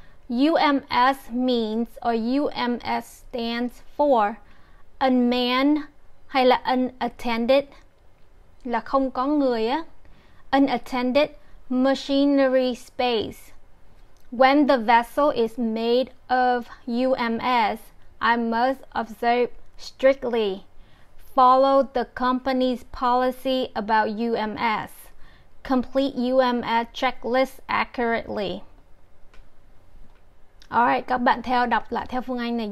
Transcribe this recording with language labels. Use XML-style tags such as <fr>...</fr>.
<en>UMS means, or UMS stands for, unmanned, hay là unattended,</en> <vi>là không có người á.</vi> <en>Unattended machinery space. When the vessel is made of UMS, I must observe strictly, follow the company's policy about UMS, complete UMS checklist accurately.</en> <vi>Alright, các bạn theo đọc lại theo Phương Anh này.</vi>